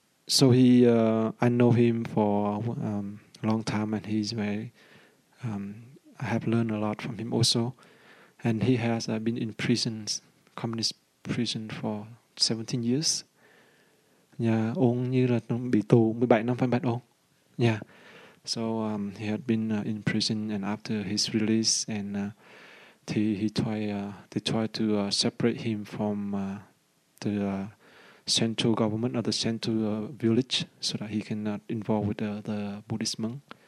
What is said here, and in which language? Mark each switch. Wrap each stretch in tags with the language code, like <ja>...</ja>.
<en>I know him for a long time, and he's very, I have learned a lot from him also. And he has been in prisons, communist prison, for 17 years.</en> <vi>Yeah, ông như là bị tù 17 năm phải bắt ông.</vi> <en>Yeah, so he had been in prison, and after his release, and they tried to separate him from the central government or the central village, so that he cannot involve with the Buddhist monk.</en>